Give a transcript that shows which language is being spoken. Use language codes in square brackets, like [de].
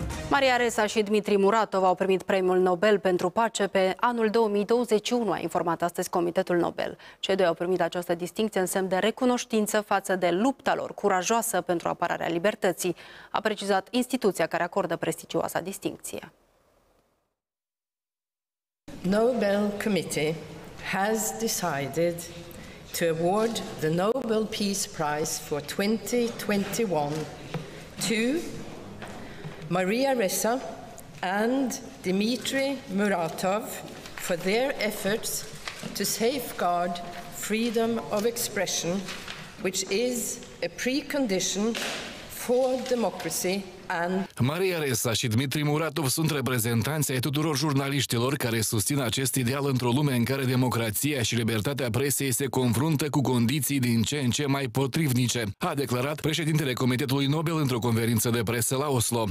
[ro] Maria Ressa și Dmitri Muratov au primit premiul Nobel pentru pace pe anul 2021, a informat astăzi Comitetul Nobel. Cei doi au primit această distincție în semn de recunoștință față de lupta lor curajoasă pentru apărarea libertății, a precizat instituția care acordă prestigioasa distincție. [en] Nobel Committee has decided to award the Nobel Peace Prize for 2021 to Maria Ressa and Dmitry Muratov for their efforts to safeguard freedom of expression, which is a precondition for democracy [ro] Maria Ressa și Dmitri Muratov sunt reprezentanți ai tuturor jurnaliștilor care susțin acest ideal într-o lume în care democrația și libertatea presiei se confruntă cu condiții din ce în ce mai potrivnice, a declarat președintele Comitetului Nobel într-o conferință de presă la Oslo.